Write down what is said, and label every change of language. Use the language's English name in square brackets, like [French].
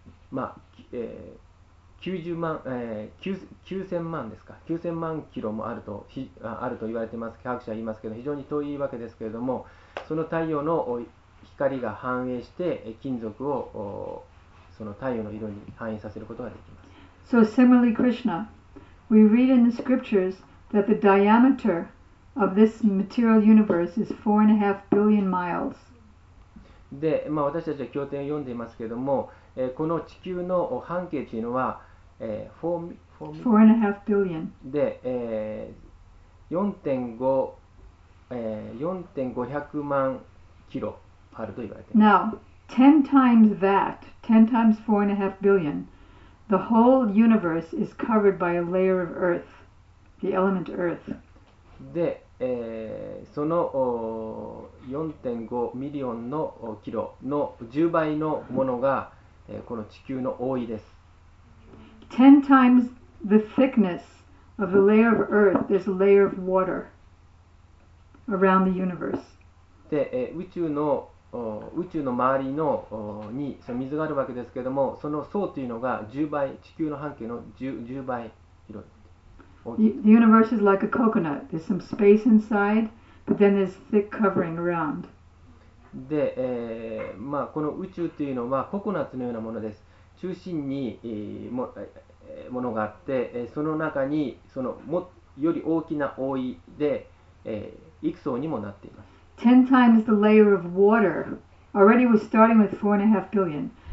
[Japanese] まあ、9000万キロもあると言われてます。科学者は言いますけど、非常に遠いわけですけれども、その太陽の光が反映して金属をその太陽の色に反映させることができます。 [English] So similarly Krishna, we read in the scriptures that the diameter of this material universe is 4.5 billion miles. [Japanese] で、まあ、私たちは経典を読んでいますけれども、この地球の半径というのは [English] 4.5 billion [Japanese] で、4.5万キロあると言われています。 [English] Now, 10 times that, 10 times 4.5 billion, the whole universe is covered by a layer of earth, the element earth. [Japanese] で、その 4.5 ミリオンのキロの10倍のものがこの地球の覆いです。 [English] 10 times the thickness of the layer of earth, there's a layer of water around the universe. [Japanese] で、宇宙の周りのにその水があるわけですけれども、その層というのが10倍、地球の半径の 10倍広い。 [English] The universe is like a coconut. There's some space inside, but then there's thick covering around. [Japanese] で、まあ、この宇宙というのはココナッツのようなものです。中心に、ものがあって、その中にそのもより大きな覆いで、幾層にもなっています。 [English] 10 times the layer of water. Already we're starting with 4.5 billion.